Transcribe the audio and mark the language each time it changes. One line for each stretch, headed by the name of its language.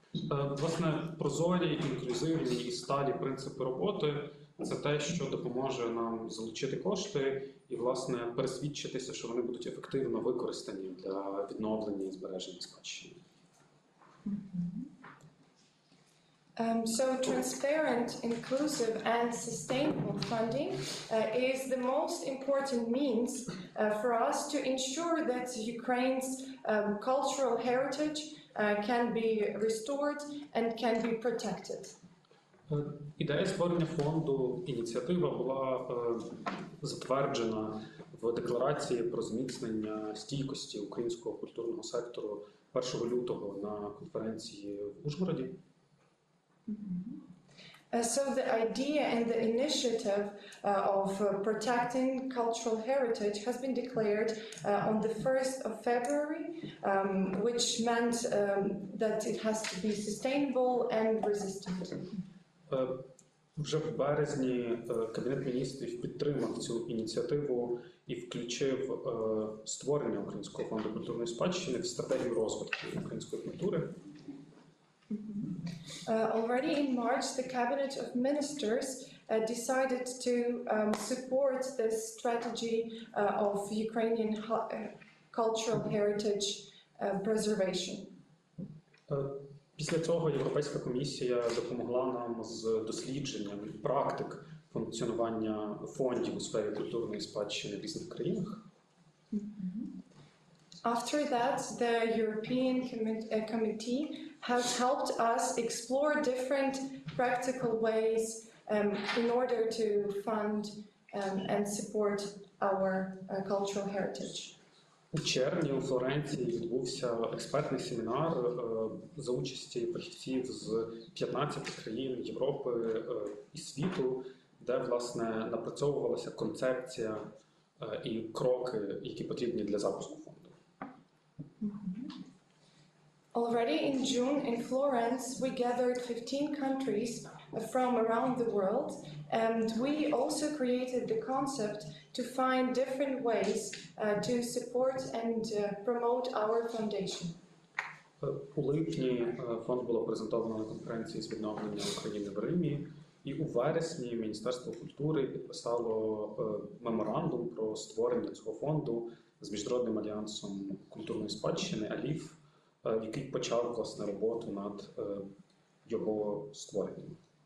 Ukrainian: Власне, прозорі, інклюзивні і сталі принципи роботи – це те, що допоможе нам залучити кошти і, власне, пересвідчитися, що вони будуть ефективно використані для відновлення і збереження спадщини.
English: So transparent, inclusive and sustainable funding is the most important means for us to ensure that Ukraine's cultural heritage can be restored and can be protected.
Ukrainian: Ідея створення фонду, ініціатива була затверджена в декларації про зміцнення стійкості українського культурного сектору 1 лютого на конференції в Ужгороді.
English: So the idea and the initiative of protecting cultural heritage has been declared on the 1st of February, which meant that it has to be sustainable and resistant.
Ukrainian: Вже в березні Кабінет міністрів підтримав цю ініціативу і включив створення Українського фонду культурної спадщини в стратегію розвитку української культури.
English: Already in March, the Cabinet of Ministers decided to support this strategy of Ukrainian cultural heritage preservation.
Ukrainian: Після цього Європейська комісія допомогла нам з дослідженням практик функціонування фондів у сфері культурної спадщини в різних країнах.
English: After that, the European Committee has helped us explore different practical ways in order to fund and support our cultural heritage.
Ukrainian: У червні у Флоренції відбувся експертний семінар за участі фахівців з 15 країн Європи і світу, де, власне, напрацьовувалася концепція і кроки, які потрібні для запуску фонду.
English: Already in June in Florence, we gathered 15 countries from around the world, and we also created the concept to find different ways to support and promote our foundation.
Ukrainian: У липні фонд було презентовано на конференції з відновлення України в Римі, і у вересні Міністерство культури підписало меморандум про створення цього фонду з Міжнародним альянсом культурної спадщини АЛІФ, який почав власне роботу над його створенням.